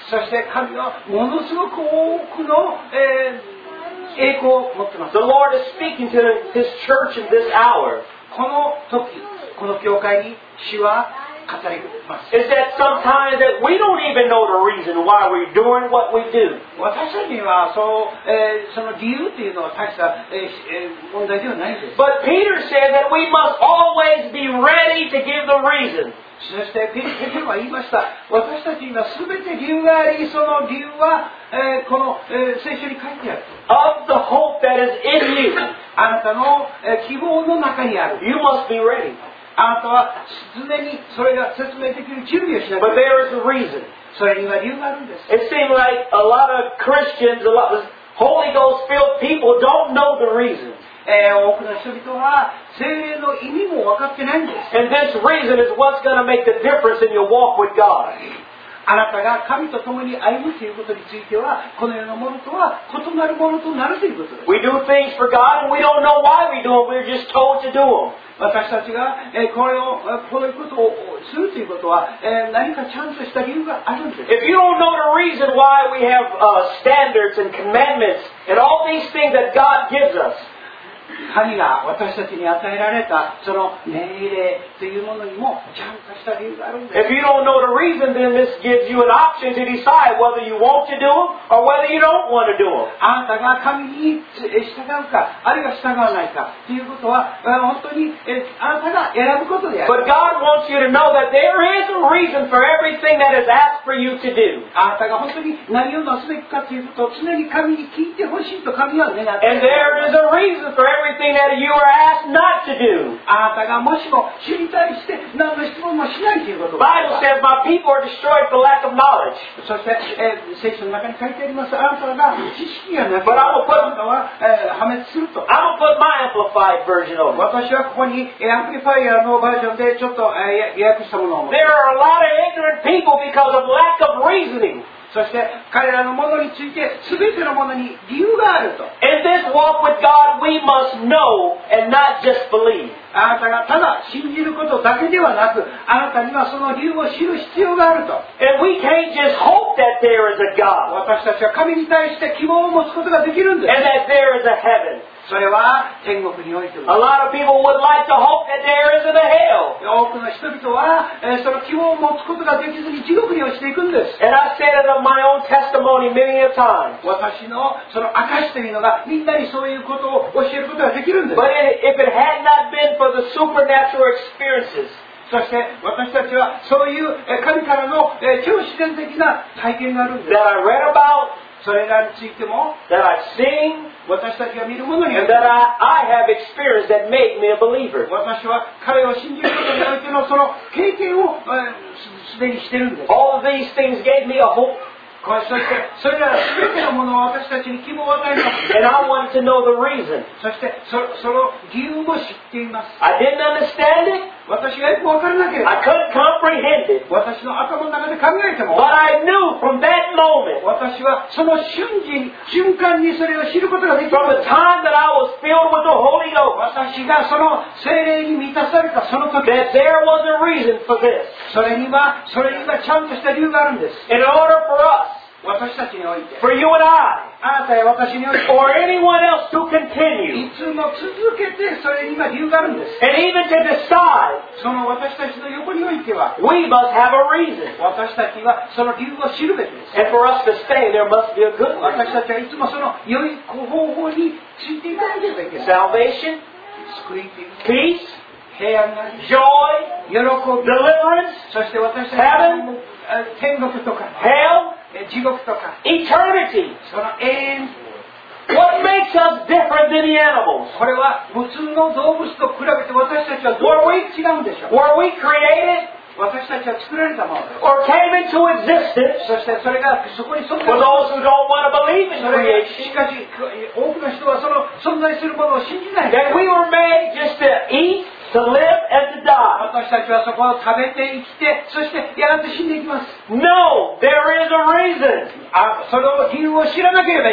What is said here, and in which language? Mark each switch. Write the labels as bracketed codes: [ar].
[ja] そして神はものすごく多くの、栄光を持ってます。 [en] The Lord is speaking to His church in this hour. [ja] この時、この教会に主は語ります。 [en] Is that sometimes that we don't even know the reason why we're doing what we do? [ja] 私たちにはそう、その理由というのは大した、問題ではないです。 [en] But Peter said that we must always be ready to give the reason. [ja] そしてピリピリは言いました。私たちには全て理由があり、その理由は、この、聖書に書いてある。 [en] Of the hope that is in you. [ja] あなたの、希望の中にある。 [en] You must be ready. [ja] あなたは常にそれが説明できる準備をしなければ。 [en] But there is a reason. [ja] それには理由があるんです。 [en] It seems like a lot of Christians, a lot of Holy Ghost filled people don't know the reason. [ja] 多くの人々は聖霊の意味も分かってないんです。 [en] And this reason is what's going to make the difference in your walk with God. [ja] あなたが神と共に歩むということについては、このようなものとは異なるものとなるということです。 [en] We do things for God and we don't know why we do them. We're just told to do them. [ja] 私たちがこういうことをするということは、何かチャンスした理由があるんです。 [en] If you don't know the reason why we have standards and commandments and all these things that God gives us, [ja] 神が私たちに与えられたその命令というものにもちゃんとした理由があるんです。 [en] If you don't know the reason, then this gives you an option to decide whether you want to do them or whether you don't want to do them. [ja] あなたが神に従うか、あるいは従わないかということは本当にあなたが選ぶことである。 [en] But God wants you to know that there is a reason for everything that is asked for you to do. [ja] あなたが本当に何をなすべきかということを常に神に聞いてほしいと神は願っています。 [en] And there is a reason for everythingthing that you are asked not to do. [ja] あなたがもしも知りたいして何の質問もしないということ。 [en] Bible says my people are destroyed for lack of knowledge. [ja] そして、聖書の中に書いてあります。あなたが知識がなく、あなたは、破滅すると。 [en] I will put my amplified version on. [ja] 私はここにアンプリファイアのバージョンでちょっと、訳したものを。 [en] There are a lot of ignorant people because of lack of reasoning. [ja] そして彼らのものについて全てのものに理由があると。 [en] In this walk with God, we must know and not just believe. [ja] あなたがただ信じることだけではなく、あなたにはその理由を知る必要があると。 [en] And we can't just hope that there is a God. [ja] 私たちは神に対して希望を持つことができるんです。 [en] And that there is a heaven. [ja] それは天国においてです。 [en] A lot of people would like to hope that there isn't a hell. [ja] 多くの人々は、その希望を持つことができずに地獄に落ちていくんです。 [en] And I've said it in my own testimony many a time. [ja] 私のその証というのがみんなにそういうことを教えることができるんです。 [en] But if it had not been for the supernatural experiences. [ja] そして私たちはそういう神からの超自然的な体験があるんです。 [en] That I read about. [ja] それらについても、 [en] that I've seen, [ja] 私たちが見るものに、 [en] and that I have experienced that made me a believer. [ja] 私は彼を信じることにおいてのその経験を、すでにしているんです。 [en] All of these things gave me a hope. [ja] そして、それらすべてのものを私たちに希望を与えます。 [en] And I wanted to know the reason. [ja] そして、その理由も知っています。 [en] I didn't understand it. [ja] 私がよく分からなければ [en] I couldn't comprehend it. [ja] 私の頭の中で考えても [en] But I knew from that moment. [ja] 私はその瞬間にそれを知ることができる [en] From the time that I was filled with the Holy Ghost. [ja] 私がその聖霊に満たされたその時 [en] That there was a reason for this. [ja] それにはちゃんとした理由があるんです [en] In order for us. [ja] 私たちにおいて [en] For you and I. [ja] あなたや私において [en] or anyone else to continue. [ja] いつも続けてそれに今理由があるんです。 [en] And even to decide, [ja] その私たちの横においては [en] we must have a reason. [ja] 私たちはその理由を知るべきです。 [en] And for us to stay, there must be a good reason. [ja] 私たちはいつもその良い方法についていかなければいけない。 [en] Salvation, peace, [ja] 平安な [en] joy, [ja] 喜び [en] deliverance, [ja] そして私たちの [en] heaven, [ja] 天国とか [en] hell. [ja] 地獄とか [en] Eternity. [ja] その永遠 [en] What makes us different than the animals? [ja] これは普通の動物と比べて私たちはどう違うんでしょう [en] Were we created? [ja] 私たちは作られたものです [en] Or came into existence? [ja] そしてそれがそこに存在 [en] For those who don't want to believe in creation. [ja] しかし多くの人はその存在するものを信じない [en] That we were made just to eat? to live and to die. [ja] 私たちはそこを食べて生きて、そしてやがて死んでいきます。 [en] No, there is a reason. [ja] その理由を知らなければ。